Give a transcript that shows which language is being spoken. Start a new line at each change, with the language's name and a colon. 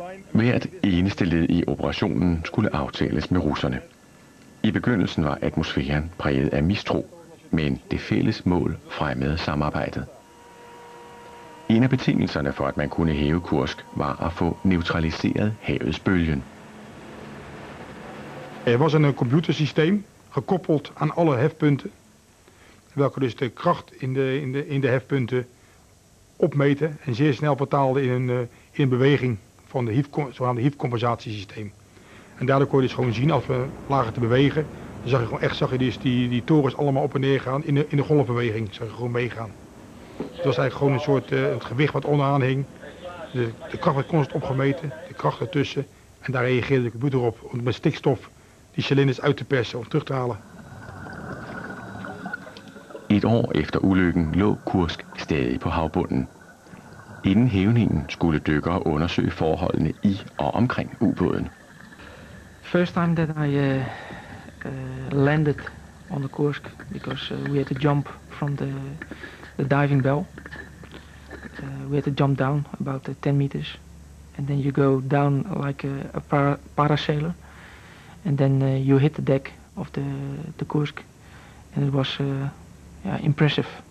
Danish: Hvert eneste led i operationen skulle aftales med russerne. I begyndelsen var atmosfæren præget af mistro, men det fælles mål fremmede samarbejdet. En af betingelserne for, at man kunne hæve Kursk, var at få neutraliseret havets bølgen.
Dutch: Er was een computersysteem gekoppeld aan alle hefpunten, welke dus de kracht in de hefpunten opmeten en zeer snel vertaalde in beweging van de zogenaamde hiefcompensatiesysteem. En daardoor kon je dus gewoon zien als we lagen te bewegen, dan zag je gewoon echt die torens allemaal op en neer gaan in de golfbeweging, zag je gewoon meegaan. Het was eigenlijk gewoon een soort het gewicht wat onderaan hing. De kracht werd constant opgemeten, de kracht ertussen. En daar reageerde de computer op om met stikstof die cilinders uit te persen, om terug te halen.
Danish: Et år efter ulykken lå Kursk stadig på havbunden. inden hævningen skulle dykkere undersøge forholdene i og omkring ubåden.
English: First time that I landed on the Kursk, because we had to jump from the diving bell. We had to jump down about 10 meters, and then you go down like a parasailer, and then you hit the deck of the Kursk, and it was impressive.